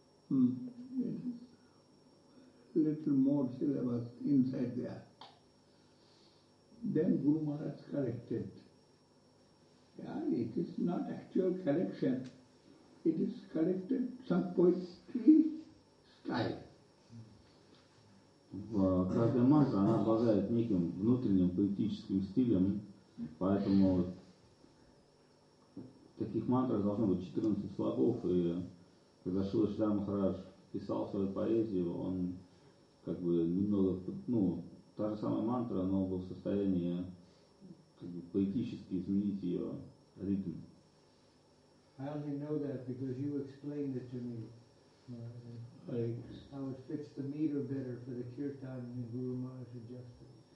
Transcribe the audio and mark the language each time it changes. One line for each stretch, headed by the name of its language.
English: It is little more syllables inside there. Then Guru Maharaj corrected. Yeah, it is not actual correction. It is corrected some poetry style.
Russian: Каждая мантра, она обладает неким внутренним поэтическим стилем, поэтому в таких мантрах должно быть 14 слогов, и когда Шрила Шридхар Махарадж писал свою поэзию, он как бы немного, ну, та же самая мантра, но был в состоянии как бы, поэтически изменить ее ритм.
English: I only know that because you explained it to me. I would fix the meter better for the kirtan and Guru Maharaj adjusted.